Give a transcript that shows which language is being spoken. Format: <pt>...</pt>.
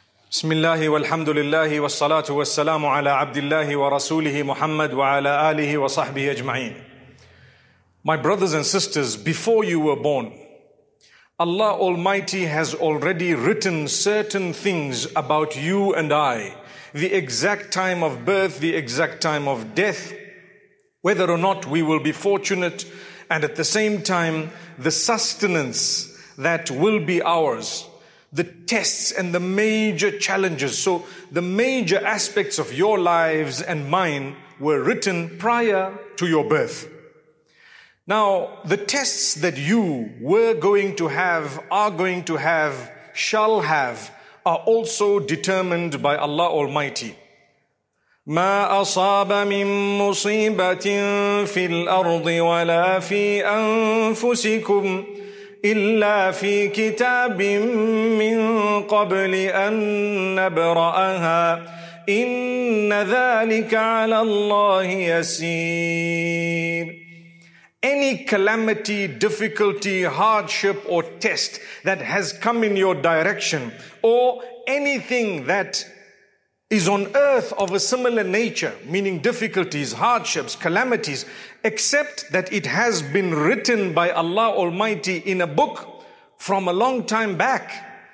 <ar>بسم الله والحمد لله والصلاة والسلام على عبد الله ورسوله محمد وعلى آله وصحبه أجمعين.</ar> <en>My brothers and sisters, before you were born, Allah Almighty has already written certain things about you and I, the exact time of birth, the exact time of death, whether or not we will be fortunate, and at the same time, the sustenance that will be ours. The tests and the major challenges. So the major aspects of your lives and mine were written prior to your birth. Now, the tests that you were going to have, are going to have, shall have, are also determined by Allah Almighty.</en> <ar>ما أصاب من مصيبة في الأرض ولا في أنفسكم إِلَّا فِي كِتَابٍ مِّن قَبْلِ أَن نَبْرَأَهَا إِنَّ ذَلِكَ عَلَى اللَّهِ يَسِيرٌ.</ar> <en>Any calamity, difficulty, hardship or test that has come in your direction, or anything that is on earth of a similar nature, meaning difficulties, hardships, calamities, except that it has been written by Allah Almighty in a book from a long time back.</en>